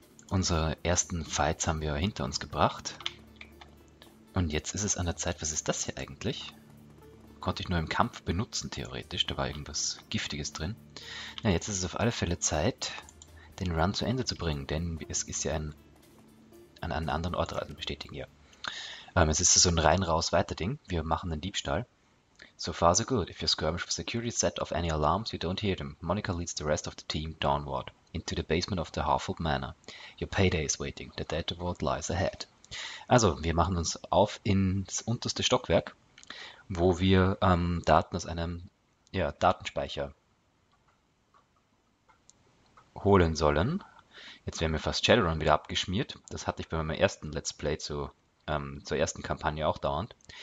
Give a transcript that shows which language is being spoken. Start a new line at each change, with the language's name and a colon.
German: Unsere ersten Fights haben wir hinter uns gebracht. Und jetzt ist es an der Zeit, was ist das hier eigentlich? Konnte ich nur im Kampf benutzen, theoretisch. Da war irgendwas Giftiges drin. Na, jetzt ist es auf alle Fälle Zeit, den Run zu Ende zu bringen, denn es ist ja an einen anderen Ort reisen, bestätigen ja. Es ist so ein Rein-Raus-Weiter-Ding. Wir machen den Diebstahl.
English: So far so good. If you skirmish for security, set off any alarms, you don't hear them. Monika leads the rest of the team downward into the basement of the Harfold Manor. Your payday is waiting. The dead world lies ahead.
German: Also, wir machen uns auf ins unterste Stockwerk, wo wir Daten aus einem Datenspeicher holen sollen. Jetzt werden wir fast Shadowrun wieder abgeschmiert. Das hatte ich bei meinem ersten Let's Play zur ersten Kampagne auch dauernd.